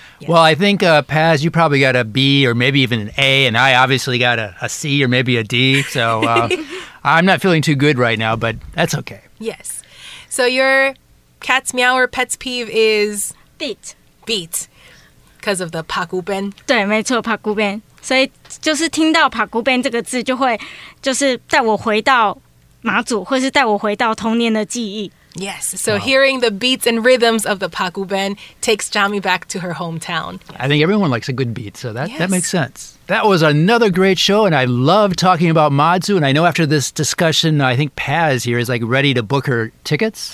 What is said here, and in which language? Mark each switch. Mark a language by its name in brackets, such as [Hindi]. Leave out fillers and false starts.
[English] Well, I think, Paz, you probably got a B or maybe even an A, and I obviously got a C or maybe a D, so I'm not feeling too good right now, but that's okay. Yes. So your cat's meow or pet's peeve is? Beat. Beat. Because of the pakuben. [Chinese] 对，没错，pakuben。所以就是听到 pakuben 这个字就会就是带我回到马祖，或是带我回到童年的记忆。 [English] Yes, so hearing the beats and rhythms of the pakuben takes Chami back to her hometown. I think everyone likes a good beat, so that makes sense. That was another great show, and I love talking about Matsu, and I know after this discussion, I think Paz here is like ready to book her tickets.